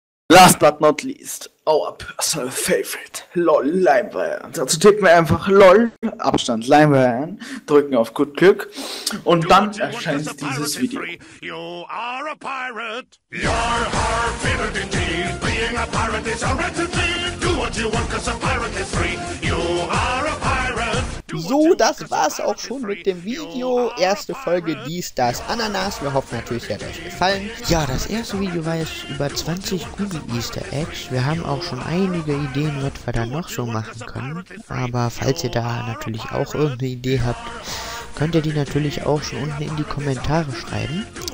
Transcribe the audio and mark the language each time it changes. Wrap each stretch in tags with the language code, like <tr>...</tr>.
<en>Last but not least, our personal favorite, LOL LimeWire.</en> <de>Dazu tippen wir einfach LOL, Abstand LimeWire ein, drücken auf Gut Glück und dann erscheint dieses Video.</de> <en>You are a pirate. Your heart favorite indeed. Being a pirate is a right to be. Do what you want, cause a pirate is free. You are a pirate.</en> <de>So, das war's auch schon mit dem Video. Erste Folge dies, das Ananas. Wir hoffen natürlich, es hat euch gefallen. Ja, das erste Video war jetzt über 20 Google Easter Eggs. Wir haben auch schon einige Ideen, was wir da noch so machen können. Aber falls ihr da natürlich auch irgendeine Idee habt, könnt ihr die natürlich auch schon unten in die Kommentare schreiben.</de>